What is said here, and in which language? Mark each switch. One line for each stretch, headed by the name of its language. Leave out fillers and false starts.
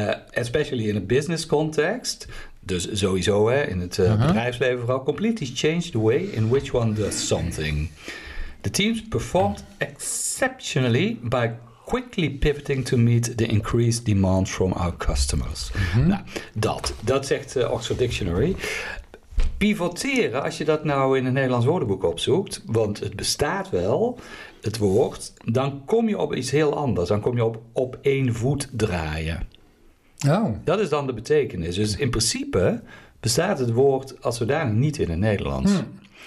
English: especially in a business context...
Dutch: Dus sowieso hè, in het bedrijfsleven vooral.
English: Completely changed the way in which one does something. The teams performed exceptionally by quickly pivoting to meet the increased demand from our customers.
Dutch: Mm-hmm. Nou, dat zegt Oxford Dictionary. Pivoteren, als je dat nou in een Nederlands woordenboek opzoekt, want het bestaat wel, het woord, dan kom je op iets heel anders. Dan kom je op één voet draaien. Oh. Dat is dan de betekenis. Dus in principe bestaat het woord als zodanig niet in het Nederlands. Hmm.